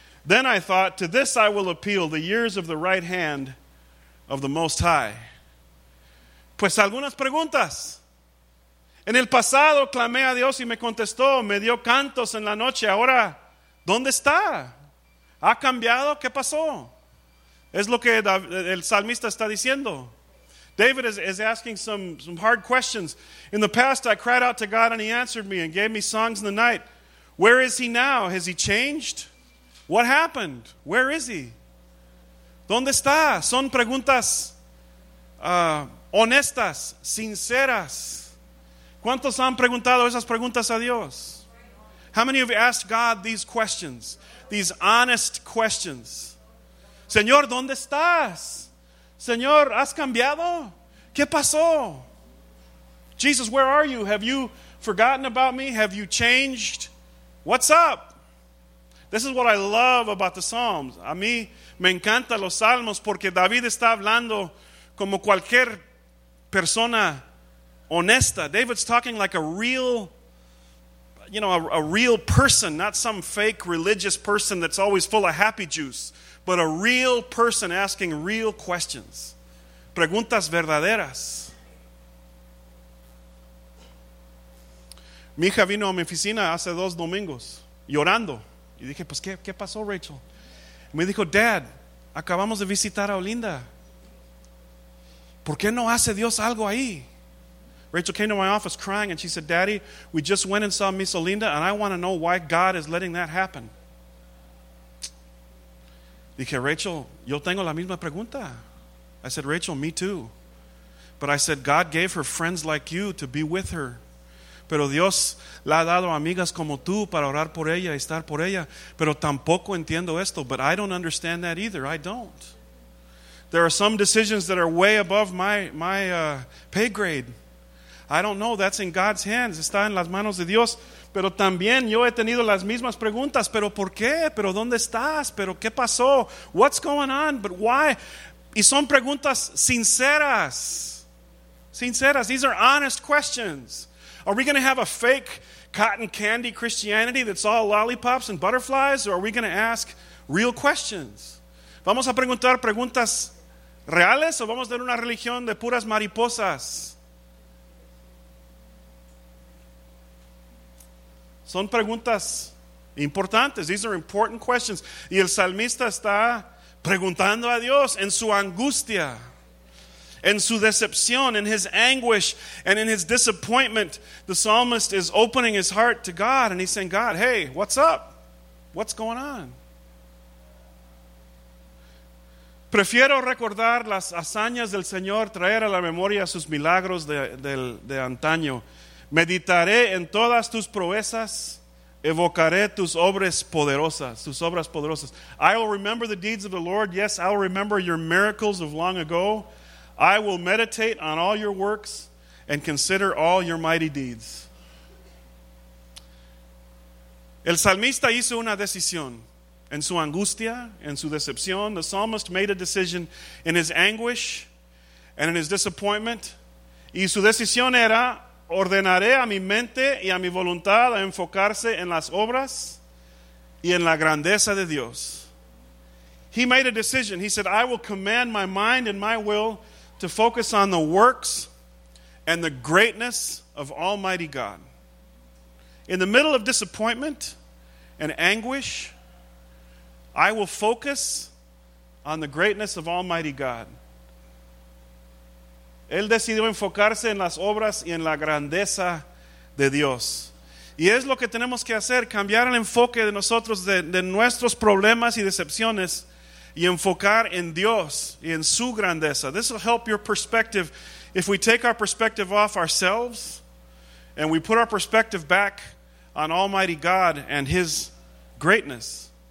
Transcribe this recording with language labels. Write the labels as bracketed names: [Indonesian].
[English] Then I thought, to this I will appeal, the years of the right hand of the Most High. [Spanish] Pues algunas preguntas. En el pasado clamé a Dios y me contestó, me dio cantos en la noche, ahora... ¿Dónde está? ¿Ha cambiado? ¿Qué pasó? Es lo que el salmista está diciendo. [English] David is asking some hard questions. In the past, I cried out to God and he answered me and gave me songs in the night. Where is he now? Has he changed? What happened? Where is he? [Spanish] ¿Dónde está? Son preguntas honestas, sinceras. ¿Cuántos han preguntado esas preguntas a Dios? [English] How many of you asked God these questions? These honest questions. [Spanish] Señor, ¿dónde estás? Señor, ¿has cambiado? ¿Qué pasó? [English] Jesus, where are you? Have you forgotten about me? Have you changed? What's up? This is what I love about the Psalms. [Spanish] A mí me encantan los Salmos porque David está hablando como cualquier persona honesta. [English] David's talking like a real a real person, not some fake religious person that's always full of happy juice, but a real person asking real questions. [Spanish] Preguntas verdaderas. Mi hija vino a mi oficina hace dos domingos, llorando. Y dije, pues, ¿qué pasó, Rachel? Y me dijo, Dad, acabamos de visitar a Olinda. ¿Por qué no hace Dios algo ahí? [English] Rachel came to my office crying and she said, Daddy, we just went and saw Miss Olinda and I want to know why God is letting that happen. [Spanish] Dije, Rachel, yo tengo la misma pregunta. [English] I said, Rachel, me too. But I said, God gave her friends like you to be with her. [Spanish] Pero Dios la ha dado amigas como tú para orar por ella y estar por ella. Pero tampoco entiendo esto. [English] But I don't understand that either. I don't. There are some decisions that are way above my pay grade. I don't know, that's in God's hands, [Spanish] está en las manos de Dios. Pero también yo he tenido las mismas preguntas, pero ¿por qué? Pero ¿dónde estás? Pero ¿qué pasó? [English] What's going on? But why? [Spanish] Y son preguntas sinceras. Sinceras, [English] these are honest questions. Are we going to have a fake cotton candy Christianity that's all lollipops and butterflies? Or are we going to ask real questions? [Spanish] ¿Vamos a preguntar preguntas reales o vamos a tener una religión de puras mariposas? Son preguntas importantes. [English] These are important questions. [Spanish] Y el salmista está preguntando a Dios en su angustia, en su decepción, [English] in his anguish, and in his disappointment. The psalmist is opening his heart to God and he's saying, God, hey, what's up? What's going on? [Spanish] Prefiero recordar las hazañas del Señor, traer a la memoria sus milagros de antaño. Meditaré en todas tus proezas, evocaré tus obras poderosas, tus obras poderosas. [English] I will remember the deeds of the Lord. Yes, I will remember your miracles of long ago. I will meditate on all your works and consider all your mighty deeds. [Spanish] El salmista hizo una decisión en su angustia, en su decepción. [English] The psalmist made a decision in his anguish and in his disappointment. [Spanish] Y su decisión era... Ordenaré a mi mente y a mi voluntad a enfocarse en las obras y en la grandeza de Dios. [English] He made a decision. He said, I will command my mind and my will to focus on the works and the greatness of Almighty God. In the middle of disappointment and anguish, I will focus on the greatness of Almighty God. [Spanish] Él decidió enfocarse en las obras y en la grandeza de Dios. Y es lo que tenemos que hacer, cambiar el enfoque de nosotros, de nuestros problemas y decepciones, y enfocar en Dios y en su grandeza. [English] This will help your perspective. If we take our perspective off ourselves and we put our perspective back on Almighty God and His greatness.